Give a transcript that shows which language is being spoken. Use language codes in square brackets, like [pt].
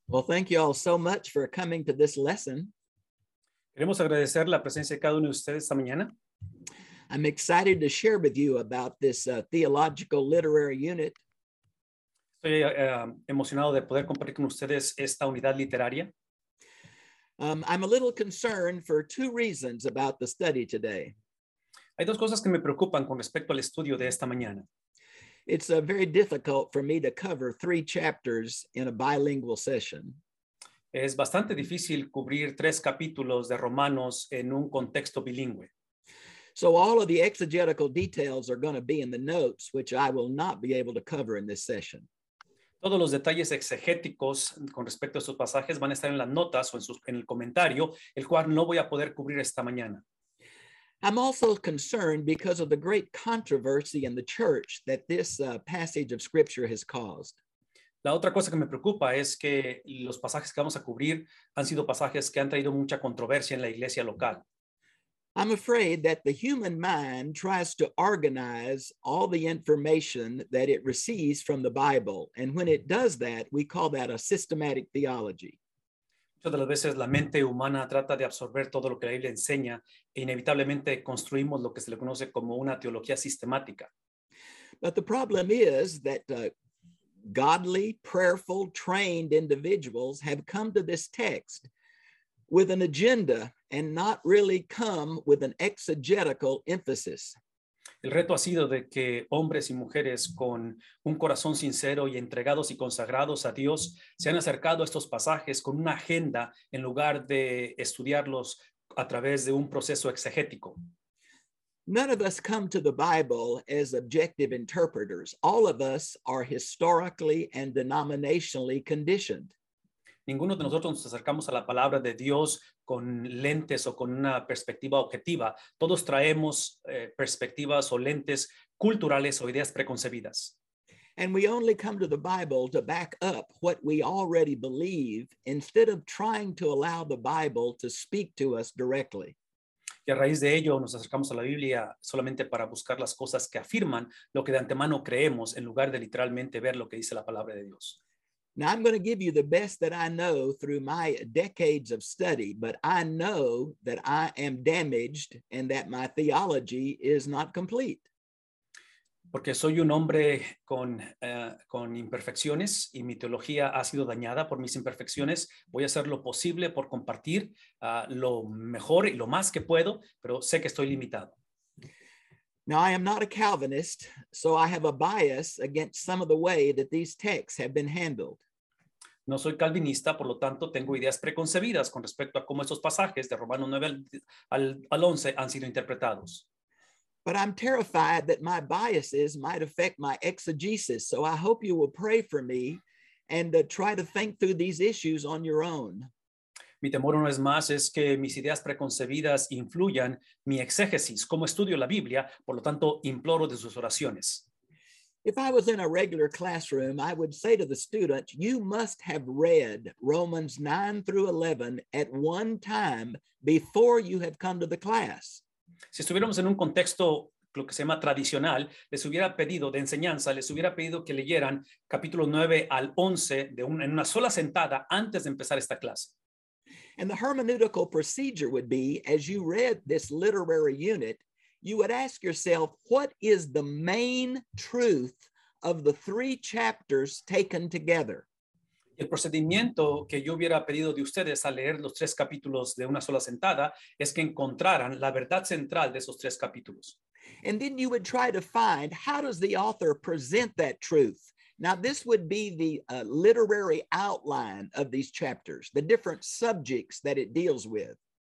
[en] Well, thank you all so much for coming to this lesson. [es] Queremos agradecer la presencia de cada uno de ustedes esta mañana. [en] I'm excited to share with you about this theological literary unit. [es] Estoy emocionado de poder compartir con ustedes esta unidad literaria. [en] I'm a little concerned for two reasons about the study today. [es] Hay dos cosas que me preocupan con respecto al estudio de esta mañana. [en] It's very difficult for me to cover three chapters in a bilingual session. [es] Es bastante difícil cubrir tres capítulos de Romanos en un contexto bilingüe. [en] So all of the exegetical details are going to be in the notes, which I will not be able to cover in this session. [es] Todos los detalles exegéticos con respecto a estos pasajes van a estar en las notas o en el comentario, el cual no voy a poder cubrir esta mañana. [en] I'm also concerned because of the great controversy in the church that this passage of scripture has caused. [es] La otra cosa que me preocupa es que los pasajes que vamos a cubrir han sido pasajes que han traído mucha controversia en la iglesia local. [en] I'm afraid that the human mind tries to organize all the information that it receives from the Bible. And when it does that, we call that a systematic theology. [es] Muchas de las veces la mente humana trata de absorber todo lo que la Biblia enseña e inevitablemente construimos lo que se le conoce como una teología sistemática. [en] But the problem is that godly, prayerful, trained individuals have come to this text with an agenda and not really come with an exegetical emphasis. [es] El reto ha sido de que hombres y mujeres con un corazón sincero y entregados y consagrados a Dios se han acercado a estos pasajes con una agenda en lugar de estudiarlos a través de un proceso exegético. [en] None of us come to the Bible as objective interpreters. All of us are historically and denominationally conditioned. [es] Ninguno de nosotros nos acercamos a la palabra de Dios con lentes o con una perspectiva objetiva. Todos traemos perspectivas o lentes culturales o ideas preconcebidas. [en] And we only come to the Bible to back up what we already believe instead of trying to allow the Bible to speak to us directly. [es] Y a raíz de ello nos acercamos a la Biblia solamente para buscar las cosas que afirman lo que de antemano creemos en lugar de literalmente ver lo que dice la palabra de Dios. [en] Now I'm going to give you the best that I know through my decades of study, but I know that I am damaged and that my theology is not complete. [es] Porque soy un hombre con imperfecciones y mi teología ha sido dañada por mis imperfecciones. Voy a hacer lo posible por compartir lo mejor y lo más que puedo, pero sé que estoy limitado. [en] Now, I am not a Calvinist, so I have a bias against some of the way that these texts have been handled. [es] No soy calvinista, por lo tanto, tengo ideas preconcebidas con respecto a cómo estos pasajes de Romanos 9 al 11 han sido interpretados. [en] But I'm terrified that my biases might affect my exegesis, so I hope you will pray for me and try to think through these issues on your own. [es] Mi temor una vez más es que mis ideas preconcebidas influyan mi exégesis, como estudio la Biblia, por lo tanto, imploro de sus oraciones. [en] If I was in a regular classroom, I would say to the student, you must have read Romans 9 through 11 at one time before you have come to the class. [es] Si estuviéramos en un contexto, lo que se llama tradicional, les hubiera pedido de enseñanza, les hubiera pedido que leyeran capítulo 9 al 11 en una sola sentada antes de empezar esta clase. [en] And the hermeneutical procedure would be, as you read this literary unit, you would ask yourself, what is the main truth of the three chapters taken together? [es] El procedimiento que yo hubiera pedido de ustedes al leer los tres capítulos de una sola sentada es que encontraran la verdad central de esos tres capítulos. [en] And then you would try to find, how does the author present that truth? Now, this would be the literary outline of these chapters, the different subjects that it deals with.